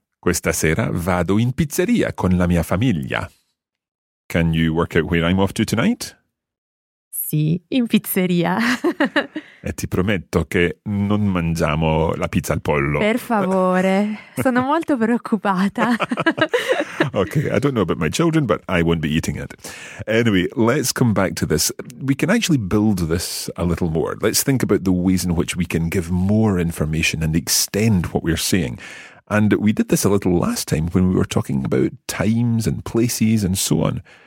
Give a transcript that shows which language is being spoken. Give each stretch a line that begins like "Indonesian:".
Italian: Questa sera vado in pizzeria con la mia famiglia.
English: Can you work out where I'm off to tonight?
Italian: Sì, in pizzeria. E ti prometto che non mangiamo la pizza al pollo. Per favore, sono molto preoccupata.
English: Okay, I don't know about my children, but I won't be eating it. Anyway, let's come back to this. We can actually build this a little more. Let's think about the ways in which we can give more information and extend what we're seeing. And we did this a little last time when we were talking about times and places and so on.